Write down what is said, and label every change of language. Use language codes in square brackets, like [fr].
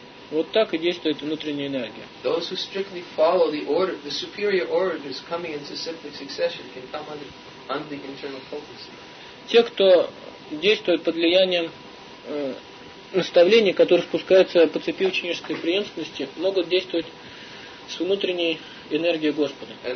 [ru] Вот так и действует внутренняя энергия. [en] Those who strictly follow the order, the superior orders coming into cyclic succession can come under the internal focus. [ru] Те, кто действует под влиянием наставлений, которые спускаются по цепи ученической преемственности, могут действовать с внутренней энергией Господа.